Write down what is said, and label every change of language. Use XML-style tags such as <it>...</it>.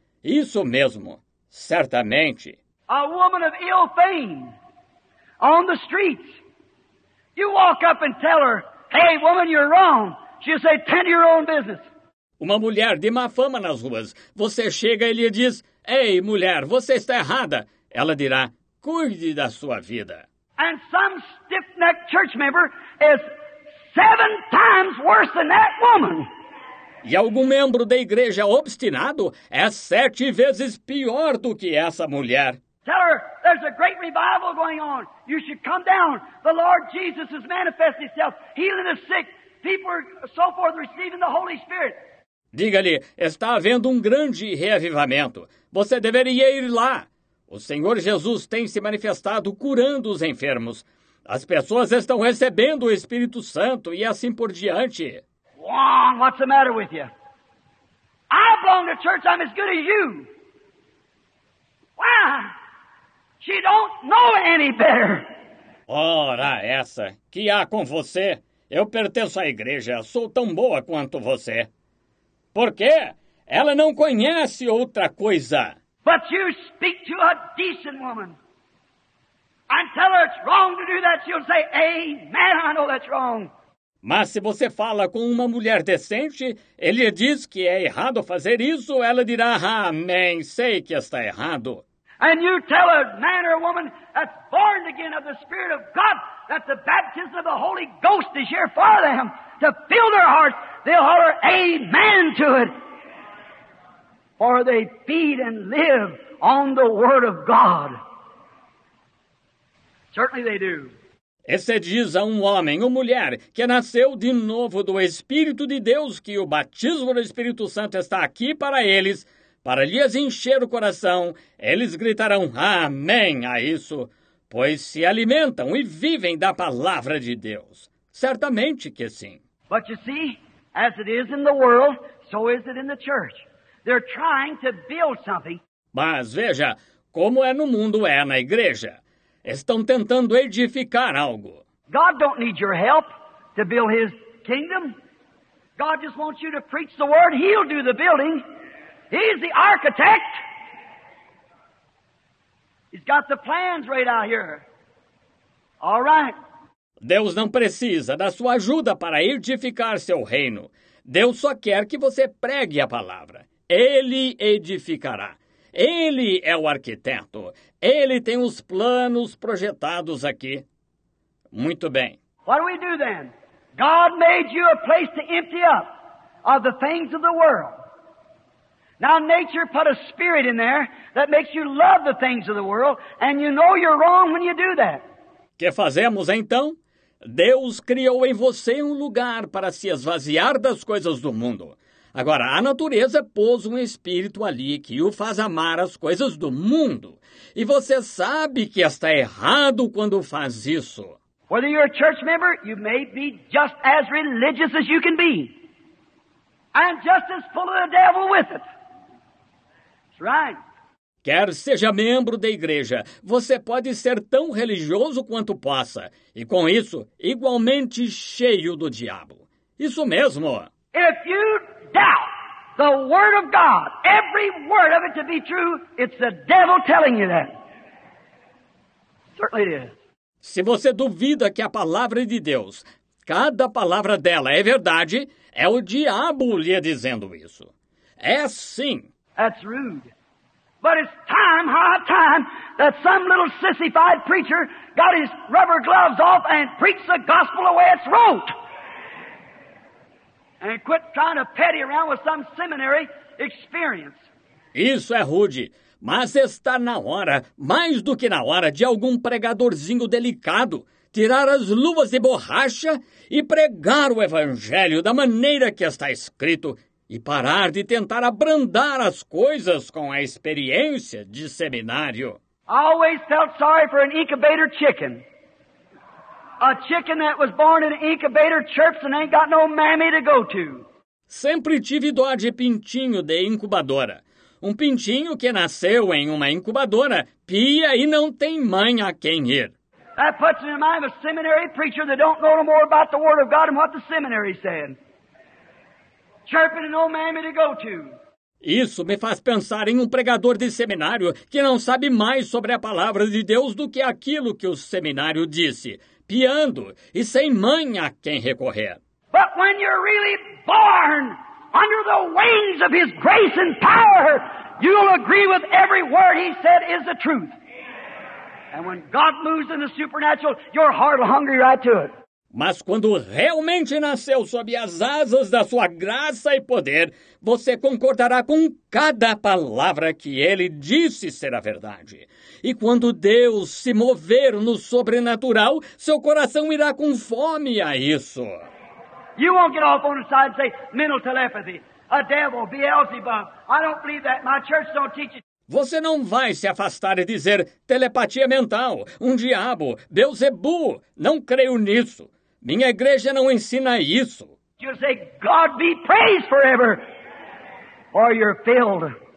<pt>Isso mesmo, certamente.</pt> <en>A woman of ill fame on the streets. You walk up and tell her, hey, woman, you're wrong. She'll say, tend to your own business.</en> <pt>Uma mulher de má fama nas ruas. Você chega e lhe diz, hey, mulher, você está errada. Ela dirá, cuide da sua vida.</pt> <en>And some stiff-necked church member is 7 times worse than that woman.</en> <pt>E algum membro da igreja obstinado é 7 vezes pior do que essa mulher.</pt> <en>Tell her there's a great revival going on. You should come down. The Lord Jesus is manifesting himself, healing the sick. People are so forth receiving the Holy Spirit.</en> <pt>Diga-lhe, está havendo grande reavivamento. Você deveria ir lá. O Senhor Jesus tem se manifestado curando os enfermos. As pessoas estão recebendo o Espírito Santo e assim por diante.</pt> <en>Wong, what's the matter with you? I belong to church. I'm as good as you. Why? She don't know any better.</en> <pt>Ora, essa. Que há com você? Eu pertenço à igreja. Sou tão boa quanto você. Por quê? Ela não conhece outra coisa.</pt> <en>But you speak to a decent woman. And tell her it's wrong to do that. She'll say, amen, I know that's wrong.</en> <pt>Mas se você fala com uma mulher decente, ele diz que é errado fazer isso, ela dirá, amém, sei que está errado.</pt> <en>And you tell a man or a woman that's born again of the Spirit of God that the baptism of the Holy Ghost is here for them to fill their hearts. They'll holler amen to it. For they feed and live on the Word of God. Certainly they do.</en> <pt>E se diz a um homem ou mulher que nasceu de novo do Espírito de Deus que o batismo do Espírito Santo está aqui para eles, para lhes encher o coração, eles gritarão amém a isso, pois se alimentam e vivem da palavra de Deus. Certamente que sim.</pt> <en>But you see, as it is in the world, so is it in the church. They're trying to build something.</en> <pt>Mas veja, como é no mundo, é na igreja. Estão tentando edificar algo.</pt> <en>God don't need your help to build his kingdom. God just wants you to preach the word. He'll do the building. He's the architect. He's got the plans right out here. All right.</en> <pt>Deus não precisa da sua ajuda para edificar seu reino. Deus só quer que você pregue a palavra. Ele edificará. Ele é o arquiteto. Ele tem os planos projetados aqui. Muito bem.</pt> <en>What do we do then? God made you a place to empty up of the things of the world. Now nature put a spirit in there that makes you love the things of the world, and you know you're wrong when you do that.</en> <pt>Que fazemos então? Deus criou em você um lugar para se esvaziar das coisas do mundo. Agora, a natureza pôs um espírito ali que o faz amar as coisas do mundo. E você sabe que está errado quando faz isso.</pt> <en>Whether you're a church member, you may be just as religious as you can be. And just as full of the devil with it. That's right.</en> <pt>Quer seja membro da igreja, você pode ser tão religioso quanto possa. E com isso, igualmente cheio do diabo. Isso mesmo.</pt> <en>If you doubt the word of God, every word of it to be true, it's the devil telling you that. Certainly it is.</en> <pt>Se você duvida que a palavra de Deus, cada palavra dela é verdade, é o diabo lhe dizendo isso. É sim.</pt> <en>That's rude. But it's time, high time, that some little sissified preacher got his rubber gloves off and preached the gospel the way it's wrote. And quit trying to petty around with some seminary experience.</en> <pt>Isso é rude. Mas está na hora, mais do que na hora, de algum pregadorzinho delicado tirar as luvas de borracha e pregar o evangelho da maneira que está escrito e parar de tentar abrandar as coisas com a experiência de seminário.</pt> <en>Always felt sorry for an incubator chicken. A chicken that was born in an incubator chirps and ain't got no mammy to go to.</en> <pt>Sempre tive dó de pintinho de incubadora. Um pintinho que nasceu em uma incubadora, pia e não tem mãe a quem ir.</pt> <en>That puts in the mind of a seminary preacher that don't know no more about the word of God than what the seminary said. Chirping and no mammy to go to.</en> <pt>Isso me faz pensar em um pregador de seminário que não sabe mais sobre a palavra de Deus do que aquilo que o seminário disse, piando e sem mãe a quem recorrer.</pt> <en>But when you're really born under the wings of His grace and power, you'll agree with every word He said is the truth. And when God moves in the supernatural, your heart will hunger right to it.</en> <pt>Mas quando realmente nasceu sob as asas da sua graça e poder, você concordará com cada palavra que Ele disse ser a verdade. E quando Deus se mover no sobrenatural, seu coração irá com fome a isso.</pt> <en>You won't get off on the side and say, mental telepathy, a devil, Beelzebub. I don't believe that. My church don't teach it.</en> <pt>Você não vai se afastar e dizer, telepatia mental, um diabo, Beelzebub, não creio nisso. Minha igreja não ensina isso.</pt> <en>You say, God be praised forever, or you're filled.</en>